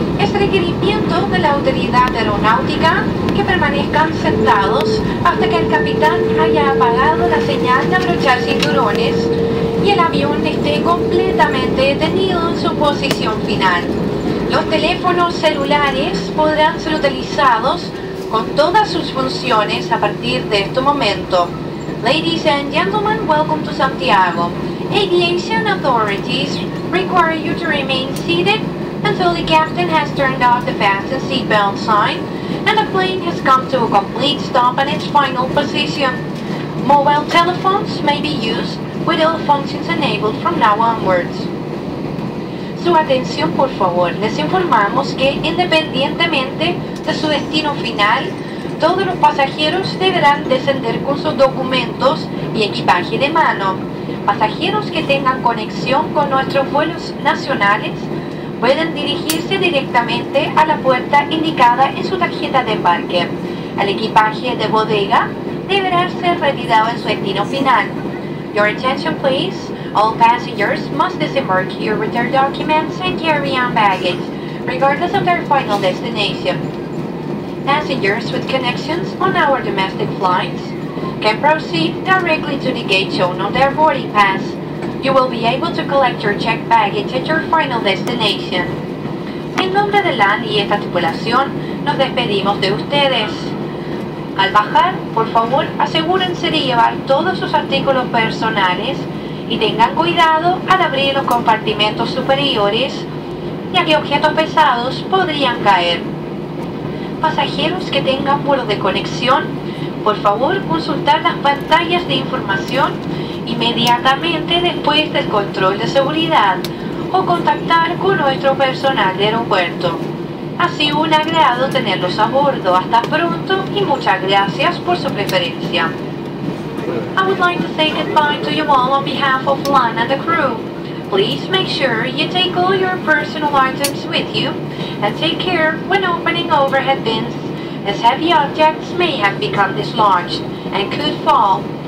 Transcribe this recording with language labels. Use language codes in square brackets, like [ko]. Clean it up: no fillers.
[es] Es requerimiento de la autoridad aeronáutica que permanezcan sentados hasta que el capitán haya apagado la señal de abrochar cinturones y el avión esté completamente detenido en su posición final. Los teléfonos celulares podrán ser utilizados con todas sus funciones a partir de este momento. [en] Ladies and gentlemen, welcome to Santiago. Aviation authorities require you to remain seated until the captain has turned off the fasten seatbelt sign and the plane has come to a complete stop at its final position. Mobile telephones may be used with all functions enabled from now onwards. [es] Su atención, por favor. Les informamos que, independientemente de su destino final, todos los pasajeros deberán descender con sus documentos y equipaje de mano. Pasajeros que tengan conexión con nuestros vuelos nacionales pueden dirigirse directamente a la puerta indicada en su tarjeta de embarque. El equipaje de bodega deberá ser retirado en su destino final. [en] Your attention, please. All passengers must disembark here with their documents and carry-on baggage, regardless of their final destination. Passengers with connections on our domestic flights can proceed directly to the gate shown on their boarding pass. You will be able to collect your checked baggage at your final destination. [es] En nombre de LAN y esta tripulación, nos despedimos de ustedes. Al bajar, por favor, asegúrense de llevar todos sus artículos personales y tengan cuidado al abrir los compartimentos superiores, ya que objetos pesados podrían caer. Pasajeros que tengan vuelos de conexión, por favor, consultar las pantallas de información inmediatamente después del control de seguridad o contactar con nuestro personal de aeropuerto. Ha sido un agrado tenerlos a bordo. Hasta pronto y muchas gracias por su preferencia. [en] I would like to say goodbye to you all on behalf of LAN and the crew. Please make sure you take all your personal items with you and take care when opening overhead bins, as heavy objects may have become dislodged and could fall.